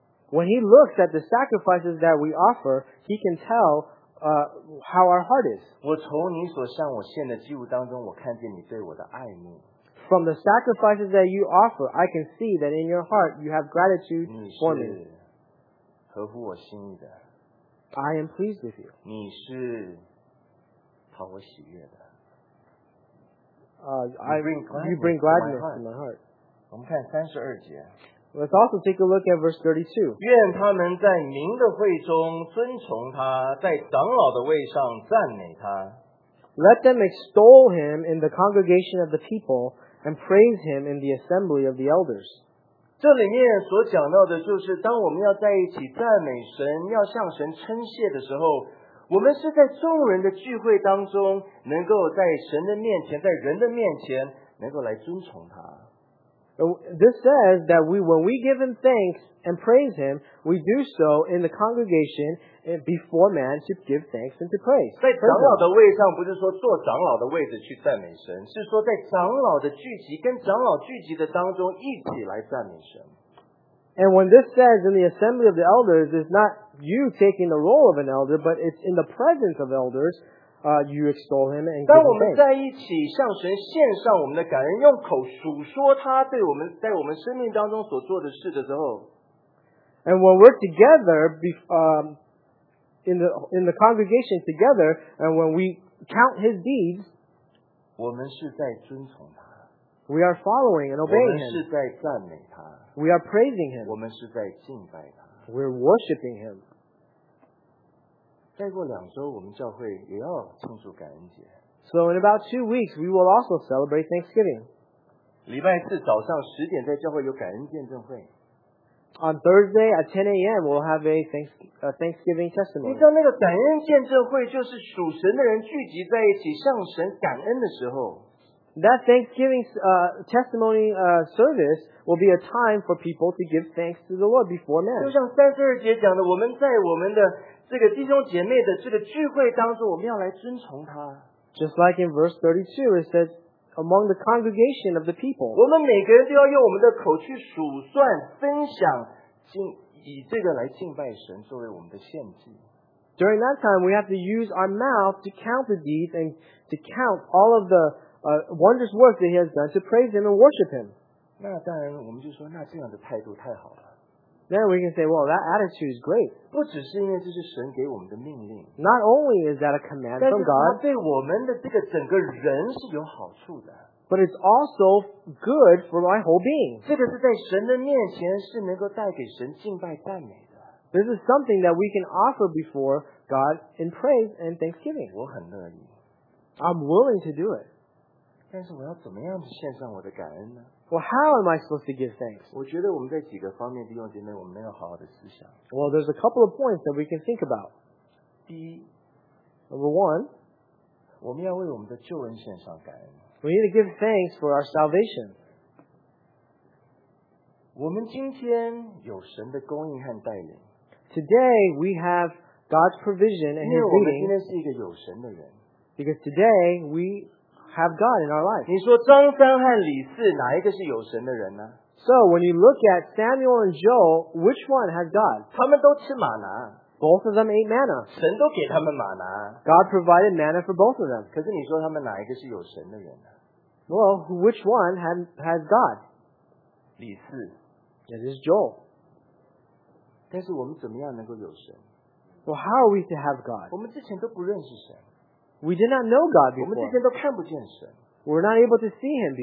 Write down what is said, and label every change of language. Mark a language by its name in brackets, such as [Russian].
[English] When he looks at the sacrifices that we offer, he can tell how our heart is. [Chinese] 我从你所向我献的祭物当中，我看见你对我的爱慕。 [English] From the sacrifices that you offer, I can see that in your heart you have gratitude for me. [Chinese] 你是合乎我心意的。 [English] I am pleased with you. [Chinese] 你是讨我喜悦的。 [English] You bring gladness to my heart. [Chinese] 我们看三十二节。 [English] Let's also take a look at verse 32. [Chinese] 愿他们在您的会中尊崇他，在长老的位上赞美他。 [English] Let them extol him in the congregation of the people and praise him in the assembly of the elders. [Chinese] 这里面所讲到的就是，当我们要在一起赞美神，要向神称谢的时候，我们是在众人的聚会当中，能够在神的面前，在人的面前，能够来尊崇他。 [English] This says that when we give him thanks and praise him, we do so in the congregation before man to give thanks and to praise. [Chinese] 在长老的位上，不是说坐长老的位置去赞美神，是说在长老的聚集跟长老聚集的当中一起来赞美神。 [English] And when this says in the assembly of the elders, it's not you taking the role of an elder, but it's in the presence of elders. You extol him and give him thanks. [Chinese] 当我们在一起向神献上我们的感恩，用口数说他对我们在我们生命当中所做的事的时候 [English] ，and when we're together, in the congregation together, and when we count his deeds, [Chinese] 我们是在尊崇他。 [English] We are following and obeying him. [Chinese] 我们是在赞美他。 [English] We are praising him. [Chinese] 我们是在敬拜他。 [English] We're worshiping him. [Chinese] 再过两周，我们教会也要庆祝感恩节。 [English] So in about 2 weeks, we will also celebrate Thanksgiving. [Chinese] 礼拜四早上十点在教会有感恩见证会。 [English] On Thursday at 10 a.m. we'll have a Thanksgiving testimony. [Chinese] 你知道那个感恩见证会就是属神的人聚集在一起向神感恩的时候。 [English] That Thanksgiving testimony service will be a time for people to give thanks to the Lord before men. [Chinese] 就像32节讲的, 我们在我们的这个弟兄姐妹的这个聚会当中，我们要来遵从他。 [English] Just like in verse 32, it says, among the congregation of the people. [Chinese] 我们每个人都要用我们的口去数算、分享，以这个来敬拜神作为我们的献祭。 [English] During that time, we have to use our mouth to count the deeds and to count all of the wondrous work that He has done to praise Him and worship Him. [Chinese] 那当然我们就说，那这样的态度太好了。 [English] Then we can say, well, that attitude is great. [Chinese] 不只是因为这是神给我们的命令。 [English] Not only is that a command from God, [Chinese] 但是它对我们的这个整个人是有好处的。 [English] But it's also good for my whole being. [Chinese] 这个是在神的面前是能够带给神敬拜赞美。 [English] This is something that we can offer before God in praise and thanksgiving. [Chinese] 我很乐意, [English] I'm willing to do it. [Chinese] 但是我要怎么样献上我的感恩呢? [English] Well, how am I supposed to give thanks? [Chinese] 我觉得我们在几个方面弟兄姐妹，我们要好好的思想。 [English] Well, there's a couple of points that we can think about. [Chinese] 第一, [English] Number one, [Chinese] 我们要为我们的救恩献上感恩。 [English] We need to give thanks for our salvation. [Chinese] 我们今天有神的供应和带领。 [English] Today, we have God's provision and His leading. [Chinese] 因为我们今天是一个有神的人。 [English] Because today, we have God in our life. [Chinese] 你说张三和李四哪一个是有神的人呢? [English] So, when you look at Samuel and Joel, which one has God? [Chinese] 他们都吃玛拿。 [English] Both of them ate manna. [Chinese] 神都给他们玛拿。 [English] God provided manna for both of them. [Chinese] 可是你说他们哪一个是有神的人呢? [English] Well, which one has God? [Chinese] 李四。 [English] It is Joel. [Chinese] 但是我们怎么样能够有神? [English] Well, how are we to have God? [Chinese] 我们之前都不认识神。 [English] We did not know God before. [Chinese] 我们之前都看不见神。 [English] We're not able to see Him before.